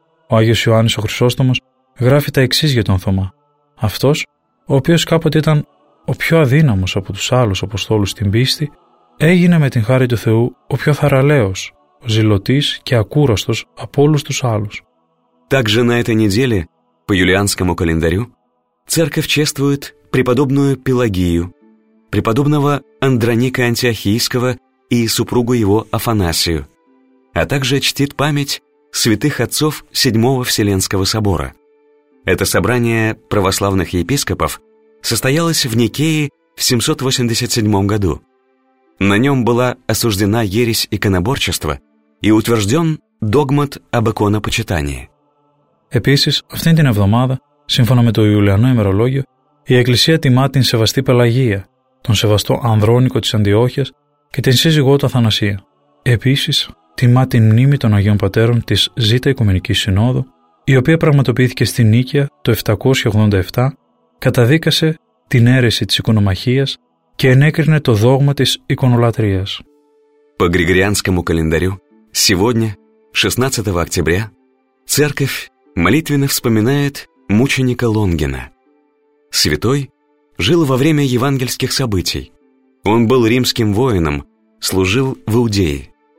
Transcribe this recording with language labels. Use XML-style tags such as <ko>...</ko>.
<el>Ο Άγιος Ιωάννης ο Χρυσόστομος γράφει τα εξής για τον Θωμά: «Αυτός, ο οποίος κάποτε ήταν ο πιο αδύναμος από τους άλλους Αποστόλους στην πίστη, έγινε με την χάρη του Θεού ο πιο θαραλέος, ζηλωτής και ακούραστος από όλους τους άλλους».</el> <ru>Также на этой неделе, по юлианскому календарю, церковь чествует преподобную Пелагию, преподобного Андроника Антиохийского и супругу его Афанасию, а также чтит память святых отцов VII Вселенского Собора. Это собрание православных епископов состоялось в Никее в 787 году. На нем была осуждена ересь иконоборчества и утвержден догмат об иконопочитании.</ru> <el>Επίσης, αυτήν την εβδομάδα, σύμφωνα με το Ιουλιανό ημερολόγιο, η Εκκλησία τιμά την σεβαστή Πελαγία, τον σεβαστό Ανδρόνικο της Αντιόχειας και την σύζυγό του Αθανασία. Επίσης, τιμά την μνήμη των Αγίων Πατέρων της Ζήτα Οικουμενικής Συνόδου, η οποία πραγματοποιήθηκε στη Νίκαια το 787, καταδίκασε την αίρεση της εικονομαχίας και ενέκρινε το δόγμα της εικονολατρίας.</el> <ru>По Григорианскому календарю, сегодня, 16 октября, церковь молитвенно вспоминает мученика Лонгина. Святой жил во время евангельских событий. Он был римским воином, служил в Иудее.</ru>